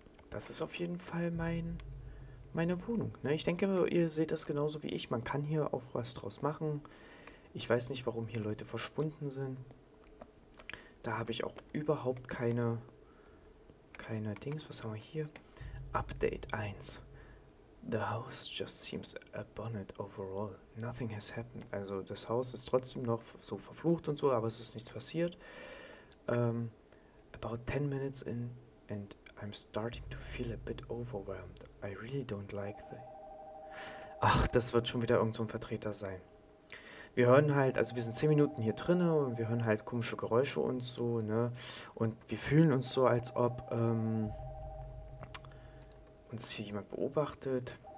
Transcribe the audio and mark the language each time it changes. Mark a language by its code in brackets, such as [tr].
[de] Das ist auf jeden Fall meine Wohnung. Ne? Ich denke, ihr seht das genauso wie ich. Man kann hier auch was draus machen. Ich weiß nicht, warum hier Leute verschwunden sind. Da habe ich auch überhaupt keine Dings. Was haben wir hier? Update 1. [en] The house just seems abandoned overall. Nothing has happened. [de] Also das Haus ist trotzdem noch so verflucht und so, aber es ist nichts passiert. [en] About 10 minutes in and I'm starting to feel a bit overwhelmed. I really don't like the. [de] Ach, das wird schon wieder irgend so ein Vertreter sein. Wir hören halt, also wir sind 10 Minuten hier drinne und wir hören halt komische Geräusche und so, ne? Und wir fühlen uns so, als ob uns hier jemand beobachtet.